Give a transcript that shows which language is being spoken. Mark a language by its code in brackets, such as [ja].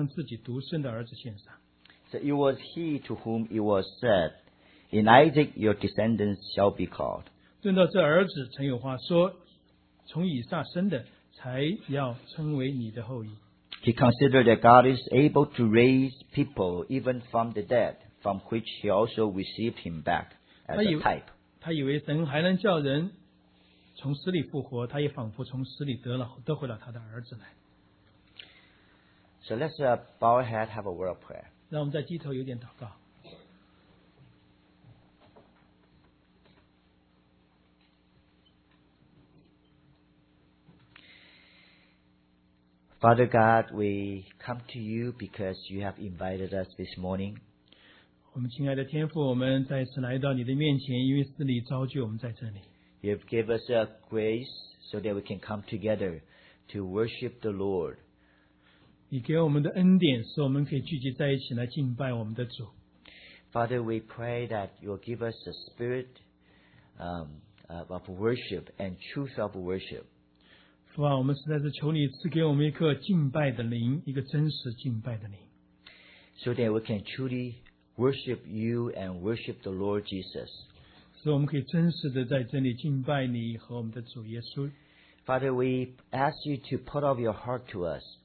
[zh] 亚伯拉罕因着信被试验的时候，就把以撒献上，这便是那欢喜领受应许的，将自己独生的儿子献上。 [en] So it was he to whom it was said, In Isaac your descendants shall be called. [zh] 正到这儿子曾有话说， 从以撒生的才要称为你的后裔。 [en] He considered that God is able to raise people even from the dead, from which he also received him back as a type. [zh] 他以为神还能叫人从死里复活，他也仿佛从死里得回了他的儿子来。 [en] So let's bow our head, have a word of prayer. [zh] 让我们再低头有点祷告。 [en] Father God, we come to you because you have invited us this morning. [zh] 我们亲爱的天父，我们再次来到你的面前，因为是你召聚我们在这里。 [en] You have given us a grace so that we can come together to worship the Lord. [zh] 你给我们的恩典，使我们可以聚集在一起来敬拜我们的主。 [en] Father, we pray that you will give us the spirit of worship and truth of worship. [zh] 父啊，我们实在是求你赐给我们一颗敬拜的灵，一个真实敬拜的灵。 [en] So that we can truly worship you and worship the Lord Jesus. [zh] 使我们可以真实的在真理敬拜你和我们的主耶稣。 [en] Father, we ask you to put off your heart to us.